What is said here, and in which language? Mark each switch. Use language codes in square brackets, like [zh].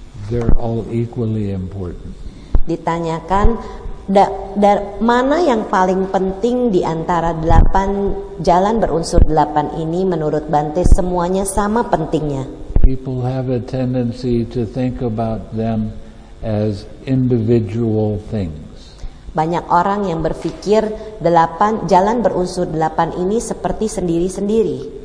[en] They're all equally important. [id] Ditanyakan mana yang paling penting di antara 8 jalan berunsur 8 ini menurut Bante semuanya sama pentingnya. [en] People have a tendency to think about them as individual things. [id] Banyak orang yang berpikir 8 jalan berunsur 8 ini seperti sendiri-sendiri.